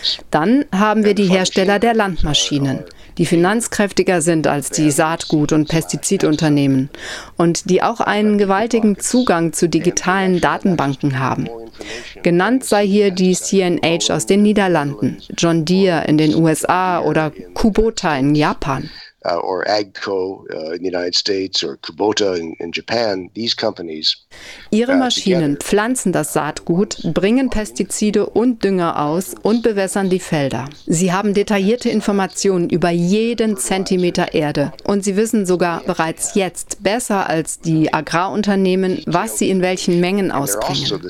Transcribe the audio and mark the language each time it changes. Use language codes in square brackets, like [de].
[de] Dann haben wir die Hersteller der Landmaschinen, die finanzkräftiger sind als die Saatgut- und Pestizidunternehmen und die auch einen gewaltigen Zugang zu digitalen Datenbanken haben. Genannt sei hier die CNH aus den Niederlanden, John Deere in den USA oder Kubota in Japan. [en] Or AGCO in the United States or Kubota in Japan, these companies. [de] Ihre Maschinen pflanzen das Saatgut, bringen Pestizide und Dünger aus und bewässern die Felder. Sie haben detaillierte Informationen über jeden Zentimeter Erde und sie wissen sogar bereits jetzt besser als die Agrarunternehmen, was sie in welchen Mengen ausbringen.